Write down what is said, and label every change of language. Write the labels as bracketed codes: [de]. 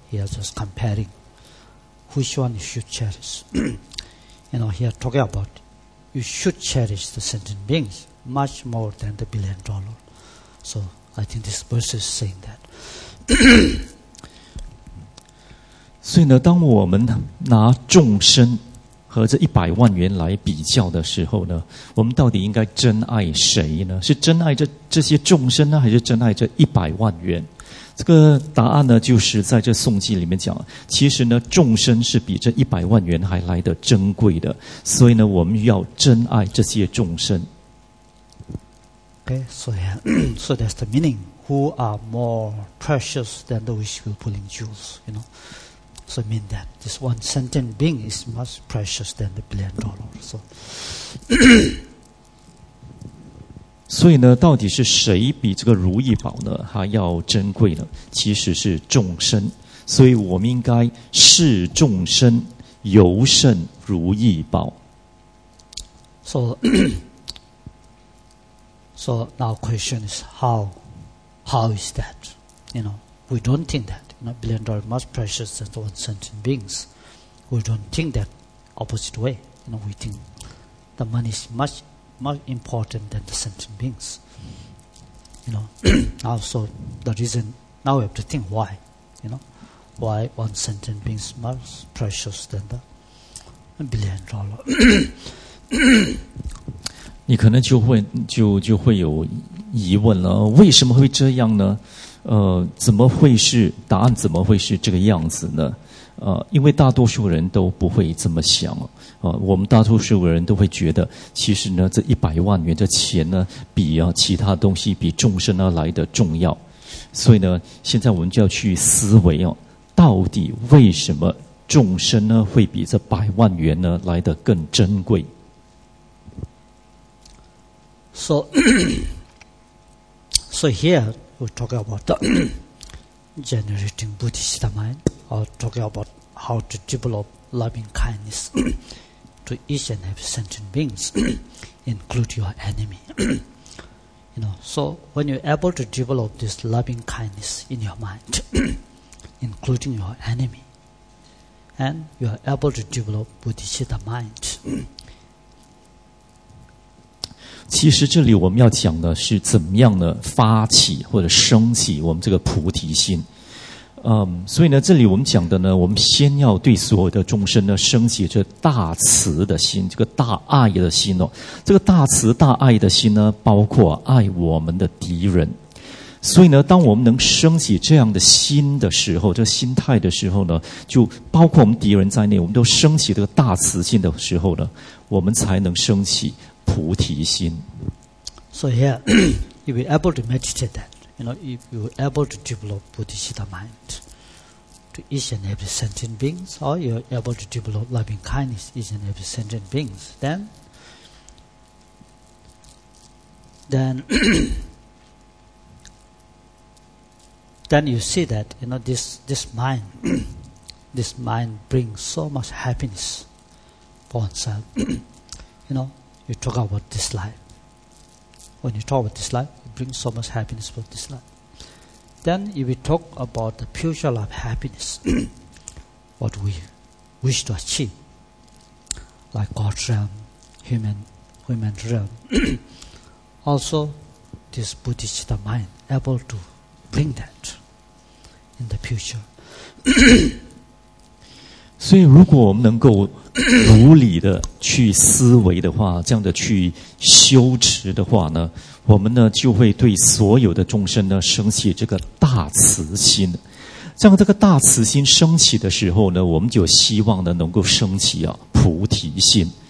[en] Here just comparing, which one you should cherish? You know, here talking about, you should cherish the sentient beings. Much more than the billion dollar. So I think this verse is saying that. [zh] 所以呢，当我们拿众生和这100万元来比较的时候呢，我们到底应该珍爱谁呢？是珍爱这些众生呢，还是珍爱这100万元？这个答案呢，就是在这颂记里面讲，其实呢，众生是比这100万元还来得珍贵的，所以呢，我们要珍爱这些众生。 [en] Okay, so that's the meaning. Who are more precious than the wish-fulfilling jewels? You know, so mean that this one sentient being is much precious than the billion dollar. So, [zh] 所以呢，到底是谁比这个如意宝呢还要珍贵呢？其实是众生。所以我们应该视众生尤胜如意宝。 [en] So. So now question is how is that? You know, we don't think that. You know, billion dollars much precious than one sentient beings. We don't think that opposite way. You know, we think the money is much much important than the sentient beings. You know, now so the reason, now we have to think why, you know, why one sentient being is more precious than the billion dollar. [zh] 你可能就会有疑问了，为什么会这样呢？怎么会是答案？怎么会是这个样子呢？因为大多数人都不会这么想，我们大多数人都会觉得，其实呢，这100万元的钱呢，比啊其他东西，比众生啊来的重要。所以呢，现在我们就要去思维啊，到底为什么众生呢会比这100万元呢来的更珍贵？ [en] So here we talk about the generating Buddhist mind, or talking about how to develop loving kindness to each and every sentient beings, including your enemy. You know, so when you're able to develop this loving kindness in your mind, including your enemy, and you are able to develop Buddhist mind. [zh] 其实这里我们要讲的是怎么样的发起或者升起我们这个菩提心，所以呢，这里我们讲的呢，我们先要对所有的众生呢升起这大慈的心，这个大爱的心哦。这个大慈大爱的心呢，包括爱我们的敌人。所以呢，当我们能升起这样的心的时候，这个心态的时候呢，就包括我们敌人在内，我们都升起这个大慈心的时候呢，我们才能升起菩提心。 [en] So here, if you're able to meditate that, you know, if you're able to develop Buddhist mind to each and every sentient beings, or you're able to develop loving kindness to each and every sentient beings, then you see that, you know, this mind brings so much happiness for oneself, you know. You talk about this life. When you talk about this life, it brings so much happiness for this life. Then, if we talk about the future life happiness, what we wish to achieve, like God's realm, human realm, also this Buddhist mind able to bring that in the future. [zh] 所以，如果我们能够如理的去思维的话，这样的去修持的话呢，我们呢就会对所有的众生呢升起这个大慈心。像这个大慈心升起的时候呢，我们就希望呢能够升起啊菩提心。